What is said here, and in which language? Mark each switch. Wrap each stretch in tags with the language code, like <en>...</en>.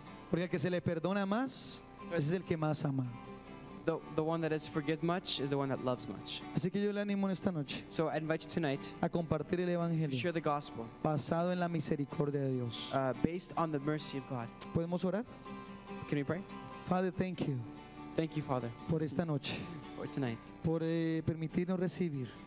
<es>Porque el que se le perdona más, ese es el que más ama.</es> <en>The one that is forgiven much is the one that loves much.</en> <es>Así que yo le animo en esta noche.</es> <en>So I invite you tonight.</en> <es>A compartir el evangelio.</es> <en>To share the gospel.</en> <es>Basado en la misericordia de Dios.</es> <en>Based on the mercy of God.</en> <es>¿Podemos orar?</es> <en>Can we pray? Father, thank you. Thank you, Father.</en> <es>Por esta noche.</es> <en>For tonight.</en> <es>Por permitirnos recibir.</es>